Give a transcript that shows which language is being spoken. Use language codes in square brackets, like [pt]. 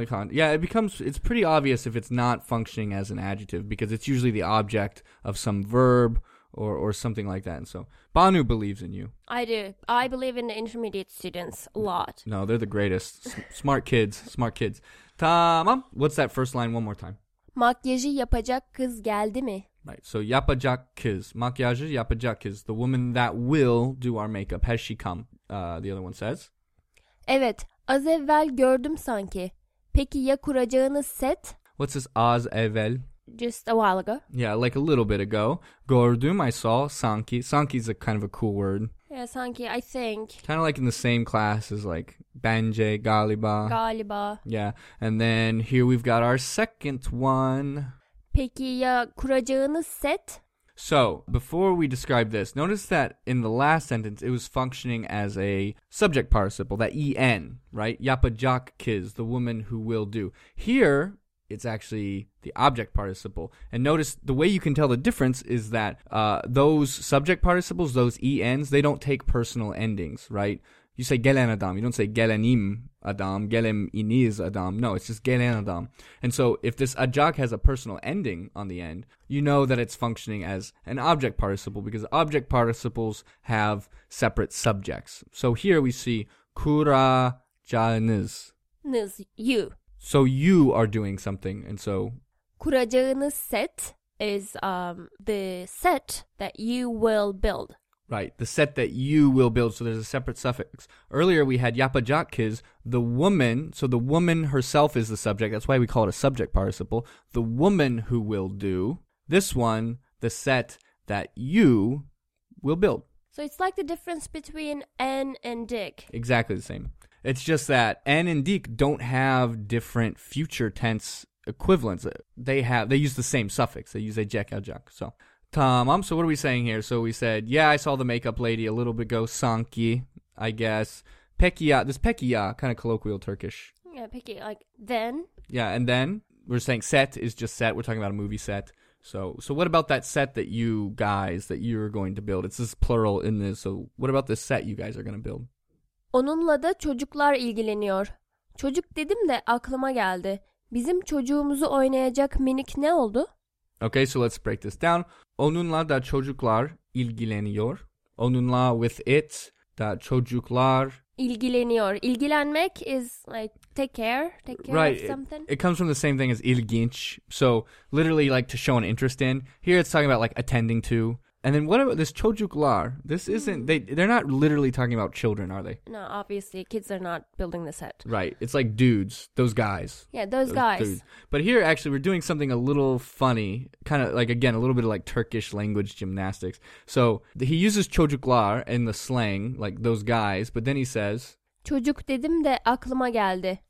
[en] Yeah, it's pretty obvious if it's not functioning as an adjective because it's usually the object of some verb or something like that. And so Banu believes in you. I do. I believe in the intermediate students a lot. No, they're the greatest. smart kids. Tamam. What's that first line one more time? [tr] Makyajı yapacak kız geldi mi? [en] Right, so [tr] yapacak kız, makyajı yapacak kız, [en] the woman that will do our makeup, has she come? The other one says. [tr] Evet, az evvel gördüm sanki. Peki ya kuracağınız set? [en] What's this az evvel? Just a while ago. Yeah, like a little bit ago. Gördüm, I saw, sanki. Sanki is a kind of a cool word. Yeah, sanki, I think. Kind of like in the same class as like bence, galiba. Galiba. Yeah, and then here we've got our second one. Peki ya kuracağınız set? So, before we describe this, notice that in the last sentence, it was functioning as a subject participle, that en, right? Yapacak kız, the woman who will do. Here, it's actually the object participle. And notice the way you can tell the difference is that those subject participles, those ens, they don't take personal endings, right? You say gelen adam. You don't say gelenim adam, gelim iniz adam. No, it's just gelen adam. And so if this acak has a personal ending on the end, you know that it's functioning as an object participle because object participles have separate subjects. So here we see kuracağınız. Niz, you. So you are doing something. And so kuracağınız set is the set that you will build. Right, the set that you will build. So there's a separate suffix. Earlier we had yapacak kız, the woman. So the woman herself is the subject. That's why we call it a subject participle. The woman who will do. This one, the set that you will build. So it's like the difference between en and dik. Exactly the same. It's just that en and dik don't have different future tense equivalents. They use the same suffix. They use ejek, ejek. So... Tamam, so what are we saying here? So we said, yeah, I saw the makeup lady a little bit ago, sanki, I guess. Peki ya, this peki ya, kind of colloquial Turkish. Yeah, peki, like then. Yeah, and then we're saying set is just set. We're talking about a movie set. So what about that set that you guys, that you're going to build? It's this plural in this. So what about this set you guys are going to build? [tr] Onunla da çocuklar ilgileniyor. Çocuk dedim de aklıma geldi. Bizim çocuğumuzu oynayacak minik ne oldu? [en] Okay, so let's break this down. [tr] Onunla da çocuklar ilgileniyor. Onunla [en] with it [tr] da çocuklar ilgileniyor. İlgilenmek [en] is like take care right. Of something. It comes from the same thing as ilginç. So literally like to show an interest in. Here it's talking about like attending to. And then what about this çocuklar? This isn't, they're not literally talking about children, are they? No, obviously. Kids are not building the set. Right. It's like dudes, those guys. Yeah, those guys. Dudes. But here, actually, we're doing something a little funny, kind of like, again, a little bit of like Turkish language gymnastics. So he uses çocuklar in the slang, like those guys, but then he says, [tr] çocuk dedim de aklıma geldi.